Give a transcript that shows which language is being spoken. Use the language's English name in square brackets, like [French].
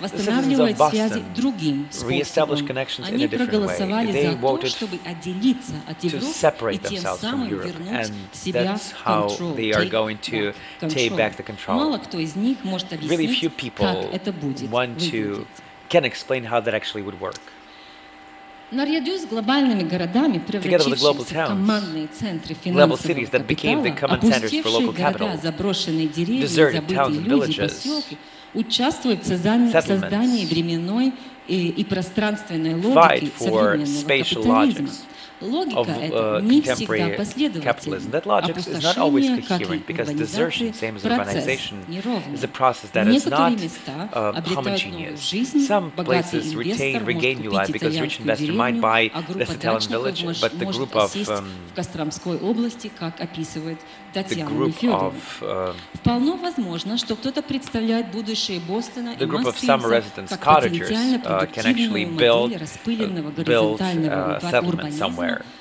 [English] The citizens of Boston reestablish connections in a different way. They voted to separate themselves from Europe, and that's how they are going to take back the control. Really few people can explain how that actually would work. [Russian] Наряду с глобальными городами, превратившимися в командные центры финансового капитала, опустевшие города, заброшенные деревья, забытые люди, поселки, участвуют в создании временной и пространственной логики современного капитализма. [English] Capitalism. That logic is not always coherent because desertion, same as urbanization, is a process that is not homogeneous. Some places regain new life because rich investors might buy this Italian village, but the group of the group of summer residents, cottagers, can actually build a settlement somewhere.